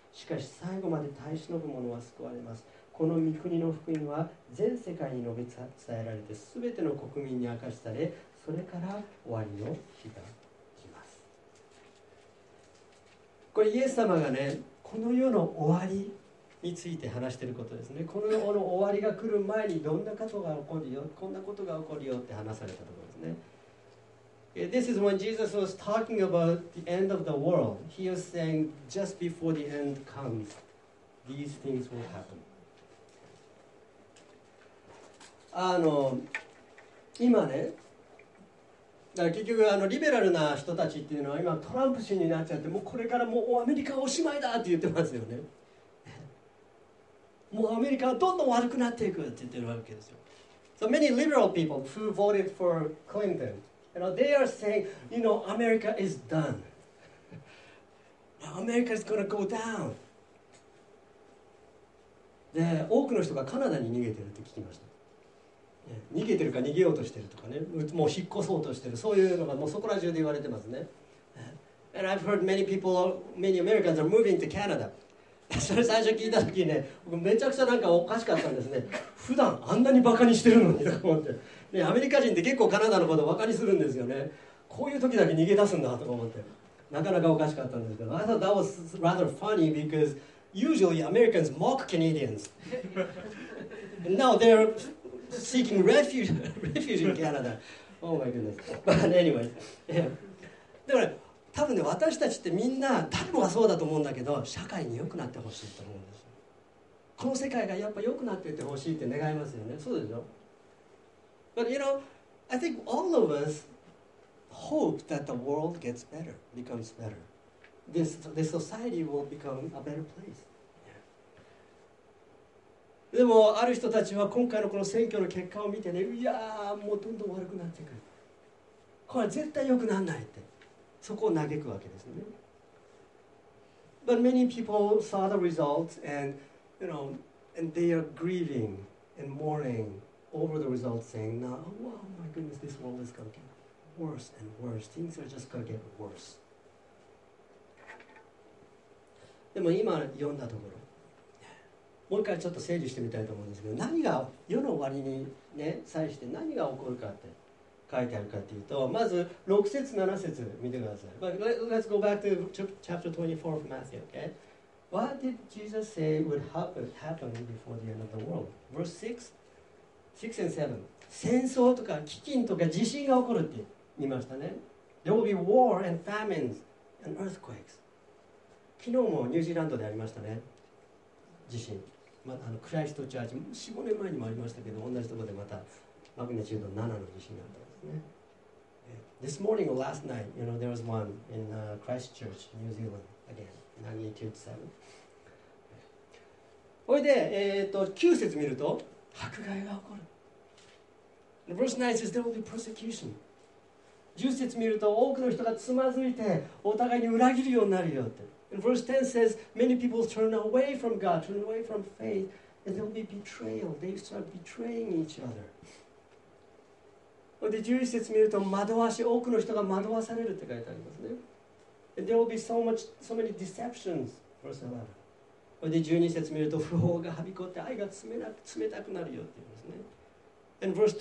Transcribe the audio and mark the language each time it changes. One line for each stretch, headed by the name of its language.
Japanese: しかし最後まで耐え忍ぶ者は救われます。この御国の福音は全世界に述べ伝えられて、すべての国民に明かしされ、それから終わりの日が来ます。これイエス様がね、この世の終わりについて話していることですね。この世の終わりが来る前にどんなことが起こるよ、こんなことが起こるよって話されたところですね。
English: This is when Jesus was talking about the end of the world. He was saying, just before the end comes, these things will happen.
Japanese: 今ね、だから結局リベラルな人たちっていうのは今トランプ氏になっちゃって、もうこれからもうアメリカおしまいだって言ってますよね。もうアメリカはどんどん悪くなっていくって言ってるわけですよ。
English: So many liberal people who voted for Clinton, you know, they are saying, you know, America is done. America is gonna go down.
Japanese: で、多くの人がカナダに逃げてるって聞きました。逃げてるか逃げようとしてるとかね、もう引っ越そうとしてる、そういうのがもうそこら中で言われてますね。
English: And I've heard many people, many Americans are moving to Canada.
Japanese: それ最初聞いた時ね、僕めちゃくちゃなんかおかしかったんですね。普段あんなにバカにしてるのにと思って、ね、アメリカ人って結構カナダのことバカにするんですよね。こういう時だけ逃げ出すんだとか思って、なかなかおかしかったんですけど、
English: I thought that was rather funny because usually Americans mock Canadians. And now they'reseeking refuge in Canada. Oh my goodness. But anyway.
Japanese: でもね、多分ね、私たちってみんな、誰もがそうだと思うんだけど、社会に良くなってほしいと思うんですよ。この世界がやっぱ良くなっていってほしいって願いますよね。そうでしょ。
English: But you know, I think all of us hope that the world gets better, becomes better. The society will become a better place.
Japanese: でもある人たちは今回のこの選挙の結果を見てね、いやーもうどんどん悪くなってくる、これ絶対良くならないって、そこを嘆くわけですね。
English: But many people saw the results and, you know, and they are grieving and mourning over the results, saying, now, oh my goodness, this world is going to get worse and worse. Things are just going to get worse.
Japanese: でも今読んだところ、もう一回ちょっと整理してみたいと思うんですけど、何が世の終わりにね、際して何が起こるかって書いてあるかっていうと、まず6節7節見てください。
English: But let's go back to chapter 24 of Matthew, okay? What did Jesus say would happen before the end of the world? Verse 6 and 7.
Japanese: 戦争とか飢饉とか地震が起こるって言いましたね。
English: There will be war and famines and earthquakes.
Japanese: 昨日もニュージーランドでありましたね。地震、まあ、クライストチャージ、4、5年前にもありましたけど、同じところでまたマグニチュード7の地震があったんですね。
English: This morning or last night, you know, there was one in Christchurch, New Zealand, again, magnitude 7.
Japanese: これで、9節見ると、迫害が起こる。
English: Verse 9 says there will be persecution.
Japanese: 10節見ると、多くの人がつまずいて、お互いに裏切るようになるよって。
English: And verse 10 says, many people turn away from God, turn away from faith, and there will be betrayal. They start betraying each other.
Japanese: で、11節見ると、惑わし、多くの人が惑わされるって書いてありますね。
English: And there will be so many deceptions. Verse 11.
Japanese: で、12節見ると、不法がはびこって愛が冷たくなるよって言うんですね。